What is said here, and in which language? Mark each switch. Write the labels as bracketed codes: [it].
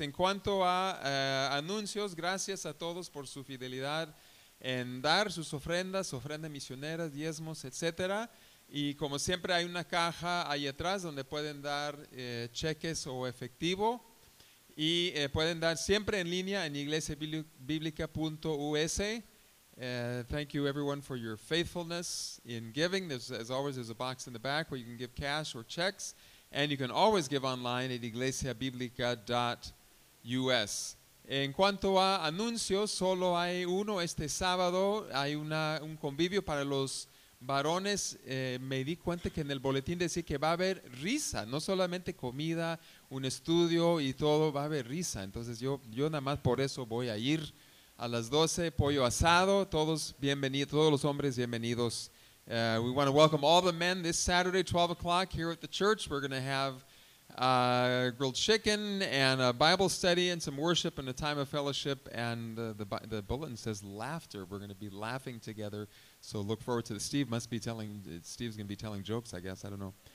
[es] En cuanto a anuncios, gracias a todos por su fidelidad en dar sus ofrendas, ofrendas misioneras, diezmos, etcétera. Y como siempre hay una caja ahí atrás donde pueden dar cheques o efectivo. Y pueden dar siempre en línea en iglesiabiblica.us. [en] Thank you everyone for your faithfulness in giving. As always, there's a box in the back where you can give cash or checks. And you can always give online at iglesiabiblica.us. [es] En cuanto a anuncios, solo hay uno este sábado. Hay un convivio para los varones. Me di cuenta que en el boletín decía que va a haber risa, no solamente comida, un estudio y todo, va a haber risa. Entonces yo nada más por eso voy a ir a las 12, pollo asado, todos bienvenidos, todos los hombres bienvenidos. [en] We want to welcome all the men this Saturday, 12 o'clock here at the church. We're going to have grilled chicken and a Bible study and some worship and a time of fellowship. And the bulletin says laughter. We're going to be laughing together. So look forward to the Steve's going to be telling jokes, I guess. I don't know.